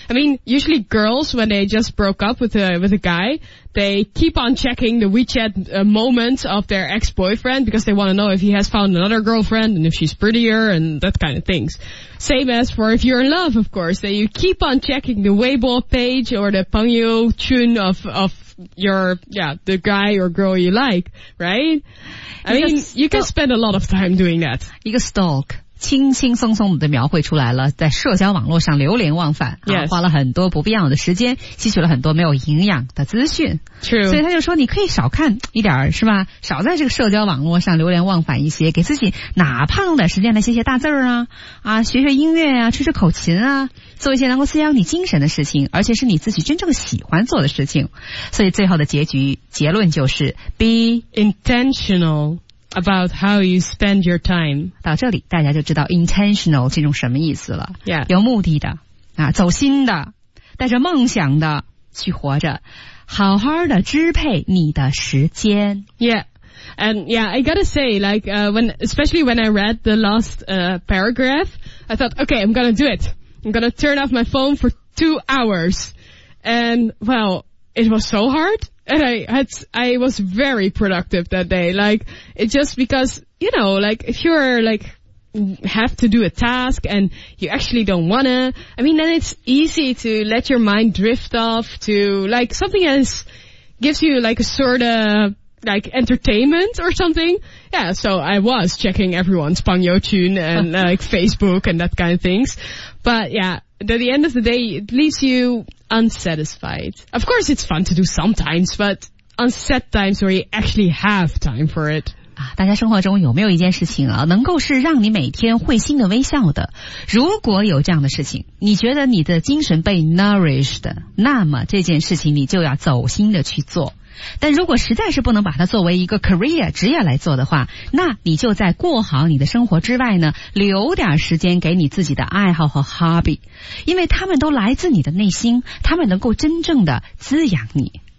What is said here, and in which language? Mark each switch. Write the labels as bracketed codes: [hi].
[en] I mean, usually girls, when they just broke up with a guy, they keep on checking the WeChat moments of their ex-boyfriend because they want to know if he has found another girlfriend and if she's prettier and that kind of things. Same as for if you're in love, of course, that you keep on checking the Weibo page or the Pangyouchun of your, yeah, the guy or girl you like, right? You can spend a lot of time doing that. You can stalk. [zh] 轻轻松松地描绘出来了，在社交网络上流连忘返、 [en] yes. [zh] 啊、花了很多不必要的时间，吸取了很多没有营养的资讯。 [en] True. [zh] 所以他就说你可以少看一点，是吧，少在这个社交网络上流连忘返一些，给自己哪怕弄点时间来写写大字儿 啊学学音乐啊，吹吹口琴啊，做一些能够滋养你精神的事情，而且是你自己真正喜欢做的事情。所以最后的结论就是 Be [en] intentionalabout how you spend your time. [zh] 到这里大家就知道 intentional 这种什么意思了。 [en] Yeah. [zh] 有目的的啊，走心的，带着梦想的去活着，好好的支配你的时间。 [en] Yeah. And yeah, I gotta say, like, especially when I read the last, paragraph, I thought, okay, I'm gonna do it. I'm gonna turn off my phone for 2 hours. And, well, it was so hard. And I was very productive that day. Like, it's just because, you know, like, if you're, like, have to do a task and you actually don't wanna, I mean, then it's easy to let your mind drift off to, like, something else gives you, like, a sort of, like, entertainment or something. Yeah, so I was checking everyone's Pangyouchun and, like, Facebook and that kind of things. But, yeah. At the end of the day, it leaves you unsatisfied. Of course, it's fun to do sometimes, but on set times where you actually have time for it. [zh] 大家生活中有没有一件事情啊，能够是让你每天会心的微笑的？如果有这样的事情，你觉得你的精神被 nourished， 那么这件事情你就要走心的去做。但如果实在是不能把它作为一个 career 职业来做的话，那你就在过好你的生活之外呢，留点时间给你自己的爱好和 hobby， 因为他们都来自你的内心，他们能够真正的滋养你。